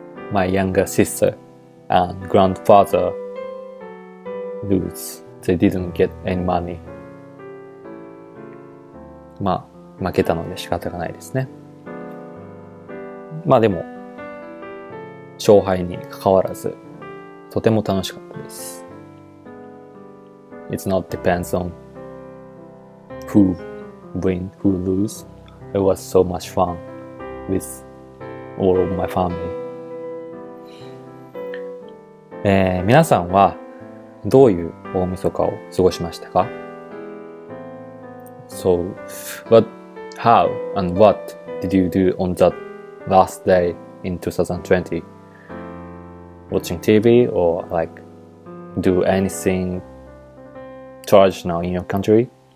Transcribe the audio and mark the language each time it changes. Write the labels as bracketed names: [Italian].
[English] My younger sister and grandfather lose. They didn't get any money. [Japanese] まあ、負けたので仕方がないですね。まあでも、勝敗に関わらず、とても楽しかったです。 [English] It's not depends on who win, who lose. It was so much fun with all of my family. [Japanese] 皆さんはどういう大晦日を過ごしましたか? [English] So, what, how and what did you do on that last day in 2020? Watching TV or like do anything traditional in your country?